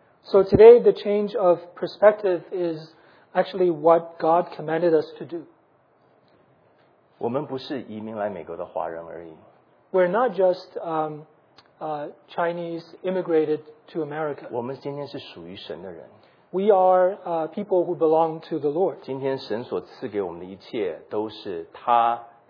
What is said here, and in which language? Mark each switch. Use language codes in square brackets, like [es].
[en] So today the change of perspective is actually what God commanded us to do. [zh] 我们不是移民来美国的华人而已。 [en] We're not just Chinese immigrated to America. [zh] 我们今天是属于神的人。 [en] We are people who belong to the Lord. [zh] 今天神所赐给我们的一切都是他。